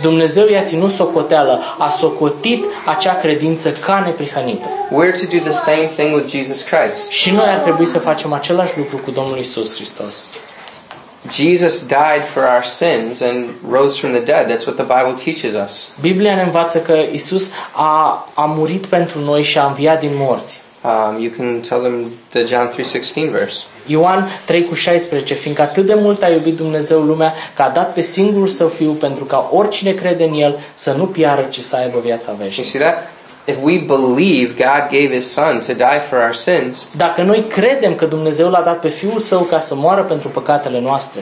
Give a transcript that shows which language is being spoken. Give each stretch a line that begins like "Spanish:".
Romanian: Dumnezeu i-a ținut socoteală, a socotit acea credință ca neprihănită.
English: We're to do the same thing with Jesus Christ.
Romanian: Și noi ar trebui să facem același lucru cu Domnul Iisus Hristos.
English: Jesus died for our sins and rose from the dead. That's what the Bible teaches us.
Romanian: Biblia ne învață că Isus a murit pentru noi și a înviat din morți.
English: You can tell them the John 3:16 verse.
Romanian: Ioan 3:16, fiindcă atât de mult a iubit Dumnezeu lumea că a dat pe singurul său fiu pentru ca oricine crede în el să nu piară, ci să aibă viața veșnică.
English: You see that? If we believe God gave his son to die for our sins,
Romanian: dacă noi credem că Dumnezeu l-a dat pe fiul său ca să moară pentru păcatele noastre,